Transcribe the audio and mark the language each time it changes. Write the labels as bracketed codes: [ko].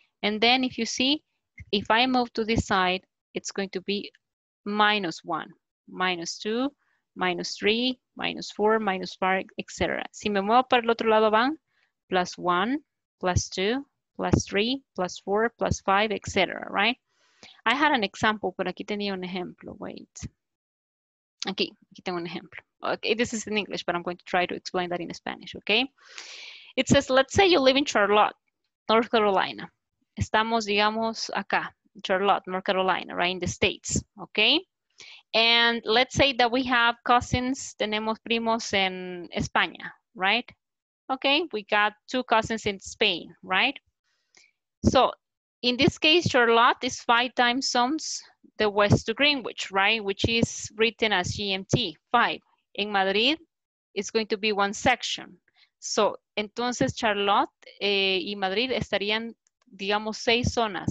[en] And then, if you see, if I move to this side, it's going to be minus 1, minus 2, minus 3, minus 4, minus 5, etc. [es] Si me muevo para el otro lado, van plus 1, plus 2, plus 3, plus 4, plus 5, etc., right? [en] I had an example, [es] pero aquí tenía un ejemplo, [en] wait. [es] Aquí tengo un ejemplo. [en] Okay, this is in English, but I'm going to try to explain that in Spanish, okay? It says, let's say you live in Charlotte, North Carolina. [es] Estamos, digamos, acá, [en] Charlotte, North Carolina, right, in the States, okay? And let's say that we have cousins, [es] tenemos primos en España, [en] right? Okay, we got two cousins in Spain, right? So, in this case, Charlotte is 5 time zones the west to Greenwich, right? Which is written as GMT, 5. In Madrid, it's going to be one section. [es] So, entonces Charlotte y Madrid estarían, digamos, 6 zonas.